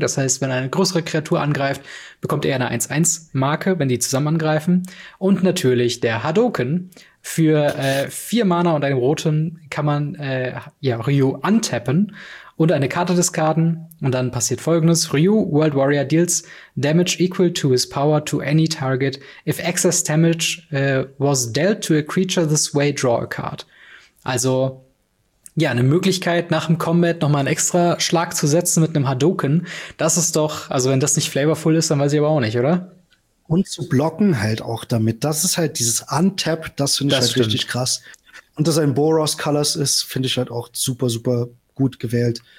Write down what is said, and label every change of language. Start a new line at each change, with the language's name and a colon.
German: Das heißt, wenn eine größere Kreatur angreift, bekommt er eine 1/1 Marke, wenn die zusammen angreifen. Und natürlich der Hadouken. Für 4 Mana und einen roten kann man Ryu untappen und eine Karte discarden. Und dann passiert Folgendes.
English: Ryu, World Warrior, deals damage equal to his power to any target. If excess damage was dealt to a creature this way, draw a card.
German: Also, ja, eine Möglichkeit, nach dem Combat noch mal einen extra Schlag zu setzen mit einem Hadouken. Das ist doch, also wenn das nicht flavorful ist, dann weiß ich aber auch nicht, oder? Und zu blocken halt auch damit. Das ist halt dieses Untap, das finde ich halt richtig krass. Und dass er in Boros Colors ist, finde ich halt auch super, super gut gewählt.